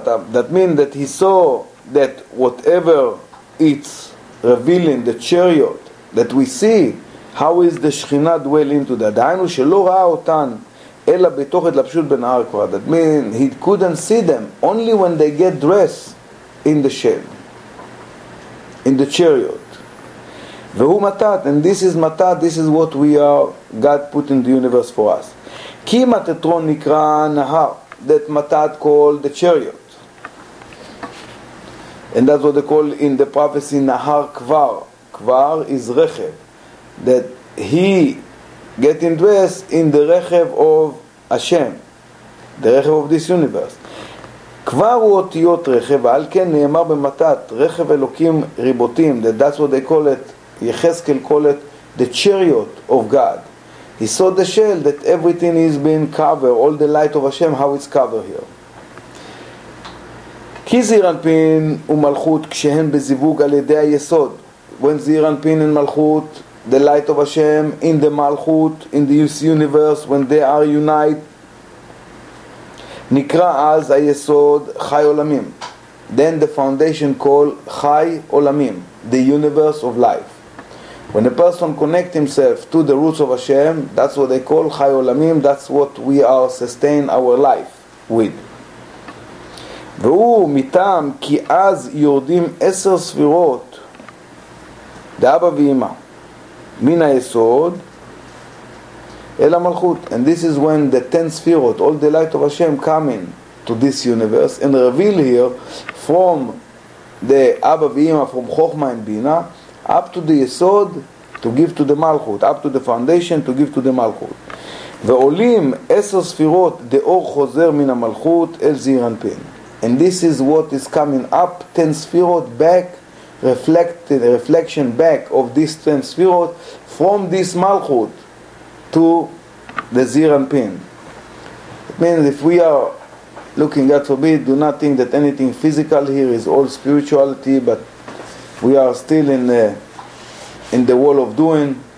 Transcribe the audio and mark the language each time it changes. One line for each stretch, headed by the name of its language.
English: That means that he saw that whatever it's revealing, the chariot that we see, how is the Shekhinah dwell into that?
Hebrew: דהיינו שלא ראה אותן אלא בתוך התלבשות בנהר כבר.
English: That means he couldn't see them only when they get dressed in the shell, in the chariot.
Hebrew: והוא מתת,
English: and this is מתת, this is what we are, God put in the universe for us.
Hebrew: כי מתתרון נקרא נהר,
English: that מתת called the chariot. And that's what they call in the prophecy נהר כבר. כבר is רכב. That he getting dressed in the רכב of Hashem, the רכב of this universe.
Hebrew: כבר הוא אותיות רכב, ועל כן נאמר במתת, רכב אלוקים ריבותים,
English: that that's what they call it, יחזקאל call it, the chariot of God. He saw the shell that everything is being covered, all the light of Hashem, how it's covered here.
Hebrew: כי זעיר אנפין ומלכות כשהן בזיווג על ידי היסוד,
English: when זעיר אנפין and מלכות, the light of Hashem in the Malchut, in the universe, when they are united,
Hebrew: נקרא אז היסוד חי עולמים.
English: Then the foundation called חי עולמים, the universe of life. When a person connects himself to the roots of Hashem, that's what they call חי עולמים, that's what we are sustain our life with.
Hebrew: והוא מטעם כי אז יורדים 10 ספירות דאבא ואמא מן היסוד אל המלכות.
English: And this is when the 10 spheres, all the light of Hashem coming to this universe and reveal here from the Abba ואימא, from Chochma and Bina up to the יסוד to give to the מלכות, up to the foundation to give to the מלכות.
Hebrew: ועולים 10 ספירות דאור חוזר מן המלכות אל זעיר אנפין.
English: And this is what is coming up, 10 spheres back, reflected, reflection back of this 10 spheres from this Malchut to the Zeir Anpin. It means if we are looking, God forbid, do not think that anything physical here is all spirituality, but we are still in the wall of doing.